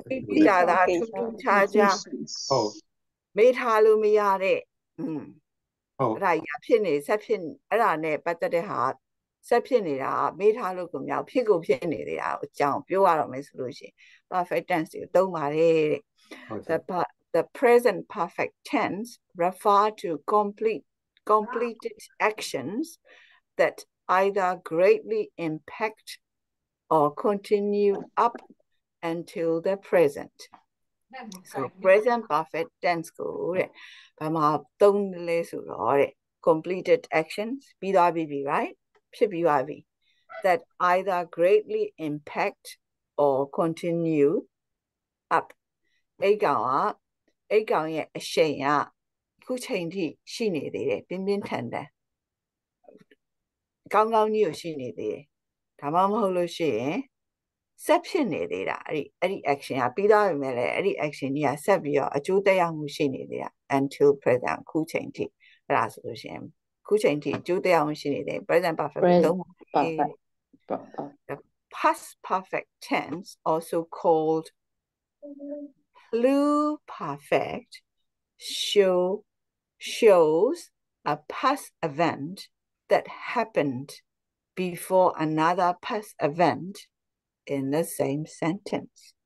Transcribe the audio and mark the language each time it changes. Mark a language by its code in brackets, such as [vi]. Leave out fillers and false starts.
[my] တိတိယာသာထူးထူးခြားခြား ဟုတ် မေးထားလို့မရတဲ့ ဟု အဲ့ဒါရဖြစ်နေဆက်ဖြစ်အဲ့ဒါနဲ့ပတ်သက်တဲ့ဟာဆက်ဖြစ်နေတာမေးထားလို့ကိုမျိုးဖြစ်ကိုဖြစ်နေတဲ့အကြောင်းပြောရအောင်မယ်ဆိုလို့ရှိရင် perfect tense ကိုသုံးပါတယ် ဟုတ်ချက် [en] the present perfect tense refer to completed actions that either greatly impact or continue up until the present. [my] So present perfect tense ကိုတဲ့ဘာမှသုံးလဲဆိုတော့တဲ့ completed actions ပြီးသွားပြီ right ဖြစ်ပြီးသွားပြီ [en] that either greatly impact or continue up [my] အိတ်ကောင်ရဲ့အရှိန်ကခုချိန်ထိရှိနေသေးတယ်ပြင်းပြင်းထန်ထန် ကောင်းကောင်းကြီးကိုရှိနေသေးတယ်ဒါမှမဟုတ်လို့ရှိရင်ဆက်ဖြစ်နေသေးတာအဲ့ဒီ action ကပြီးသွားပြီမဲ့လေအဲ့ဒီ action ကြီးကဆက်ပြီးတော့အကျိုးသက်ရောက်မှုရှိနေသေးတာ [en] until present [my] ခုချိန်ထိအဲ့ဒါဆိုလို့ရှိရင်ခုချိန်ထိအကျိုးသက်ရောက်မှုရှိနေတယ် present perfect [en] Present [my] သုံးပါလေ [en] perfect. Perfect. past perfect tense also called pluperfect shows a past event that happened before another past event in the same sentence.